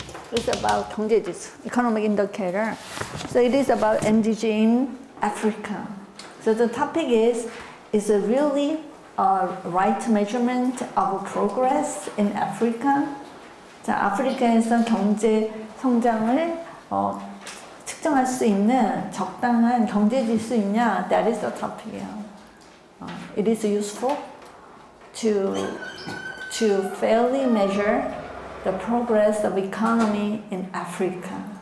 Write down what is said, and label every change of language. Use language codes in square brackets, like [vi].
[en] It's about 경제지수, economic indicator. So it is about MDG in Africa. So the topic is it really a right measurement of progress in Africa? [ko] 자, 아프리카에서 경제 성장을 측정할 수 있는 적당한 경제지수 있냐? [en] That is the topic. It is useful to to fairly measure the progress of economy in Africa.